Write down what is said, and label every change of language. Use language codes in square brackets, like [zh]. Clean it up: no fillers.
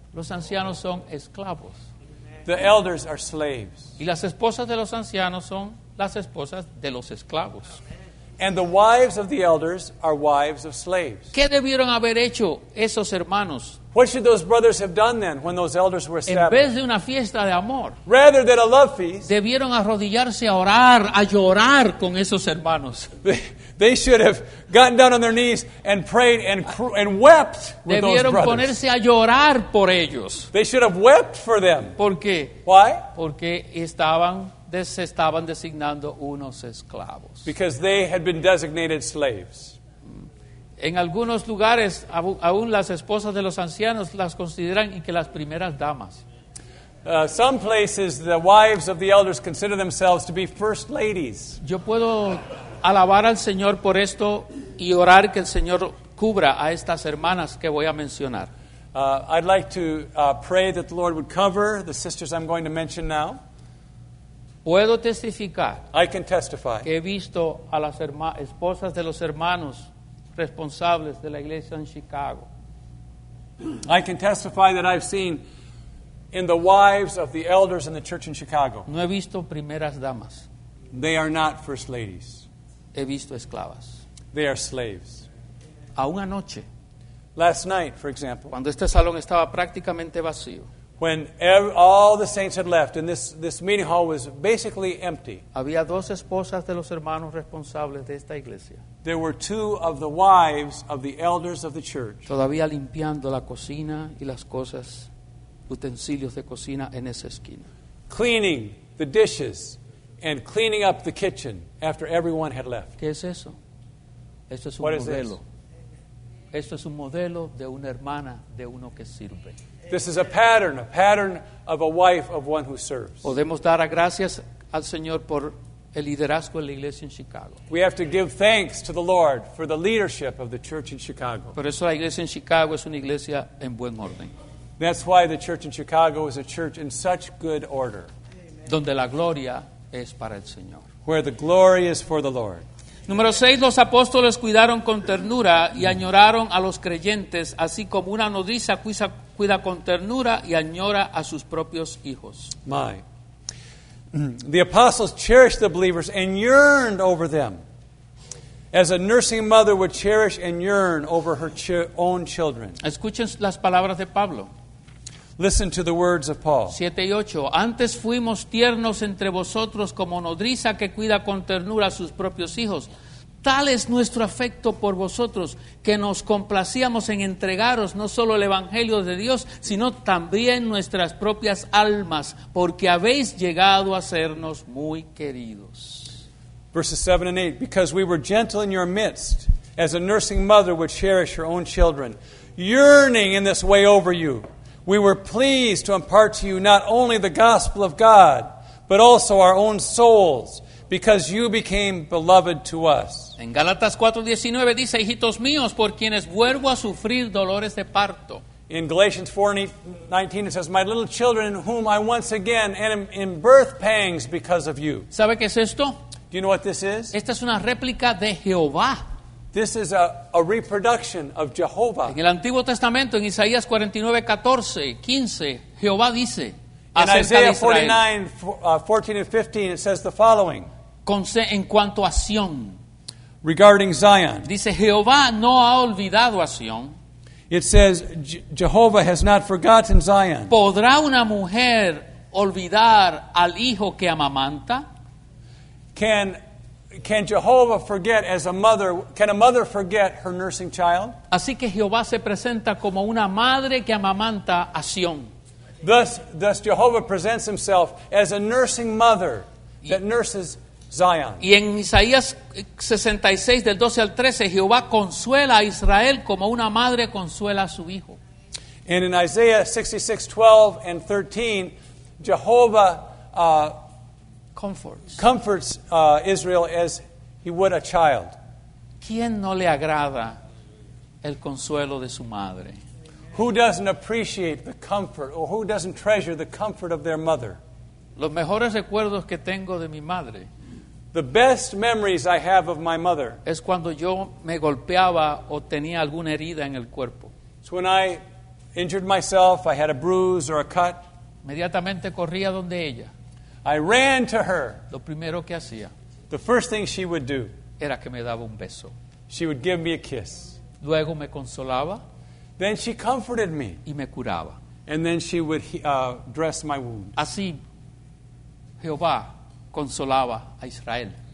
[es] Los ancianos son esclavos. [en] The elders are slaves. [es] Y las esposas de los ancianos son las esposas de los esclavos. [en] And the wives of the elders are wives of slaves. [es] ¿Qué debieron haber hecho esos hermanos? [en] What should those brothers have done then when those elders were established? [es] En vez de una fiesta de amor, [en] rather than a love feast, [es] debieron arrodillarse a orar, a llorar con esos hermanos. [en] They should have gotten down on their knees and prayed and wept with those brothers. [es] Debieron ponerse a llorar por ellos. [en] They should have wept for them. [es] ¿Por qué? [en] Why? [es] Porque se estaban designando unos esclavos. [en] Because they had been designated slaves. [es] En algunos lugares, aún las esposas de los ancianos las consideran y que las primeras damas. [en] Some places, the wives of the elders consider themselves to be first ladies. [es] Yo puedo alabar al Señor por esto y orar que el Señor cubra a estas hermanas que voy a mencionar. [en] I'd like to pray that the Lord would cover the sisters I'm going to mention now. [es] Puedo testificar. [en] I can testify. [es] Que he visto a las esposas de los hermanos responsables de la iglesia en Chicago. [en] I can testify that I've seen in the wives of the elders in the church in Chicago. [es] No he visto primeras damas. [en] They are not first ladies. [es] He visto esclavas. [en] They are slaves. [es] Aún anoche. [en] Last night, for example. [es] Cuando este salón estaba prácticamente vacío. [en] When all the saints had left and this meeting hall was basically empty. [es] Había dos esposas de los hermanos responsables de esta iglesia. [en] There were two of the wives of the elders of the church. [es] Todavía limpiando la cocina y las cosas, utensilios de cocina en esa esquina. [en] Cleaning the dishes and cleaning up the kitchen after everyone had left. [es] ¿Qué es eso? Esto es un [en] what [es] modelo. Esto es un modelo de una hermana de uno que sirve. [en] This is a pattern of a wife of one who serves. [es] Podemos dar gracias al Señor por el liderazgo de la iglesia en Chicago. [en] We have to give thanks to the Lord for the leadership of the church in Chicago. [es] Por eso la iglesia en Chicago es una iglesia en buen orden. [en] That's why the church in Chicago is a church in such good order. Amen. [es] Donde la gloria es para el Señor. [en] Where the glory is for the Lord. [es] Número 6, los apóstoles cuidaron con ternura y añoraron a los creyentes, así como una nodriza cuida con ternura y añora a sus propios hijos. [en] My. The apostles cherished the believers and yearned over them, as a nursing mother would cherish and yearn over her own children. [es] Escuchen las palabras de Pablo. [en] Listen to the words of Paul. [es] 7 y 8. Antes fuimos tiernos entre vosotros como nodriza que cuida con ternura a sus propios hijos. Tal es nuestro afecto por vosotros que nos complacíamos en entregaros no solo el Evangelio de Dios, sino también nuestras propias almas, porque habéis llegado a sernos muy queridos. [en] Verses 7 and 8. Because we were gentle in your midst, as a nursing mother would cherish her own children, yearning in this way over you. We were pleased to impart to you not only the gospel of God, but also our own souls, because you became beloved to us. [es] En Gálatas 4:19 dice, hijitos míos, por quienes vuelvo a sufrir dolores de parto. [en] In Galatians 4:19 it says, my little children, whom I once again am in birth pangs because of you. [es] ¿Sabe qué es esto? [en] Do you know what this is? [es] Esta es una réplica de Jehová. [en] This is a reproduction of Jehovah. [es] En el Antiguo Testamento, en Isaías 49:14-15, Jehová dice, [en] in Isaiah 49:14-15, it says the following. [es] En cuanto a Sion. [en] Regarding Zion. [es] Dice, Jehová no ha olvidado a Sion. [en] It says, Jehovah has not forgotten Zion. [es] ¿Podrá una mujer olvidar al hijo que amamanta? [en] Can Jehovah forget as a mother? Can a mother forget her nursing child? [es] Así que Jehová se presenta como una madre que amamanta a Sion. [en] Thus Jehovah presents himself as a nursing mother that nurses Zion. [es] Y en Isaías 66 del 12 al 13, Jehová consuela a Israel como una madre consuela a su hijo. [en] And in Isaiah 66:12-13, Jehovah comforts Israel as he would a child. [es] ¿Quién no le agrada el consuelo de su madre? [en] Who doesn't appreciate the comfort, or who doesn't treasure the comfort of their mother? [es] Los mejores recuerdos que tengo de mi madre. [en] The best memories I have of my mother. [es] Es cuando yo me golpeaba o tenía alguna herida en el cuerpo. [en] So when I injured myself, I had a bruise or a cut. [es] Inmediatamente corría donde ella. [en] I ran to her. [es] Lo primero que hacía. [en] The first thing she would do. [es] Era que me daba un beso. [en] She would give me a kiss. [es] Luego me consolaba. [en] Then she comforted me. [es] Y me curaba. [en] And then she would dress my wound. [es] Así Jehová consolaba a Israel.